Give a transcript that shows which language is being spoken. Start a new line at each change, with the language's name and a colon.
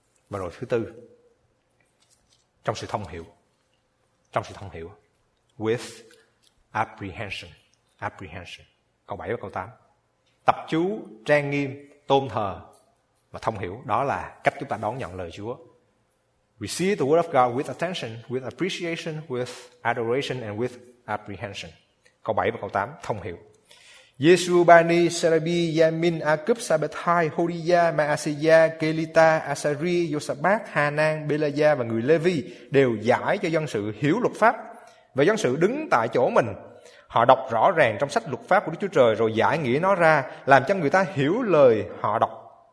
Vietnamese: Và rồi thứ tư, trong sự thông hiểu, trong sự thông hiểu,
English: with apprehension, apprehension,
Vietnamese: câu 7 và câu 8. Tập chú, trang nghiêm, tôn thờ và thông hiểu, đó là cách chúng ta đón nhận lời Chúa.
English: Receive the word of God with attention, with appreciation, with adoration and with apprehension.
Vietnamese: Câu 7 và câu 8, thông hiểu. Yesu Bani Serabi Yamin Akub Sabethai Horiya Maasiya Kelita Asari Yosabat Hanan Belaya và người Levi đều giải cho dân sự hiểu luật pháp. Và dân sự đứng tại chỗ mình, họ đọc rõ ràng trong sách luật pháp của Đức Chúa Trời rồi giải nghĩa nó ra, làm cho người ta hiểu lời họ đọc.